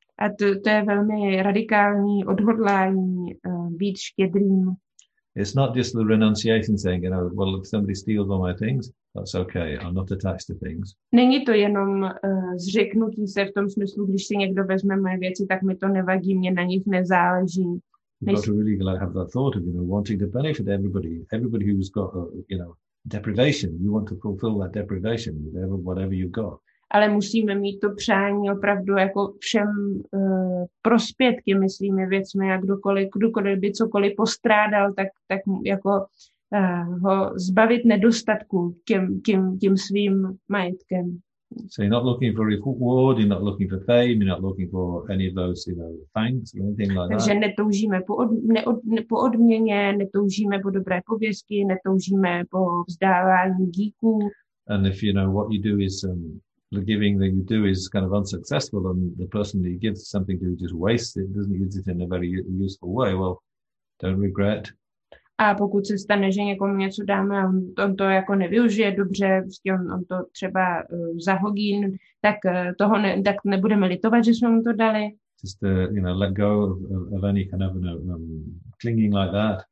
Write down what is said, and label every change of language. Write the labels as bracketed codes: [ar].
[cs] A to je velmi radikální odhodlání být štědrým. [en] It's not just the renunciation thing, you know, well, if somebody steals all my things, that's okay, I'm not attached to things. [cs] Není to jenom zřeknutí se v tom smyslu, když si někdo vezme moje věci, tak mi to nevadí, mě na nich nezáleží. [en] You've got to really like, have that thought of, you know, wanting to benefit everybody who's got, you know, deprivation, you want to fulfill that deprivation, whatever you've got. [cs] Ale musíme mít to přání opravdu jako všem prospětky, myslíme věcmi, jak kdokoliv by cokoliv postrádal, tak jako ho zbavit nedostatku tím svým majetkem. [en] So you're not looking for reward, you're not looking for fame, you're not looking for any of those, you know, thanks or anything like that. [cs] Takže netoužíme po odměně, netoužíme po dobré pověsti, netoužíme po vzdávání díků. [en] And if you know what you do is the giving that you do is kind of unsuccessful, and the person that you give something to just wastes it, doesn't use it in a very useful way, well, don't regret. [cs] A pokud se stane, že někomu něco dáme a on to jako nevyužije dobře, on to třeba zahodí, tak toho ne, tak nebudeme litovat, že jsme mu to dali. [en] Just you know, let go of any kind of clinging like that.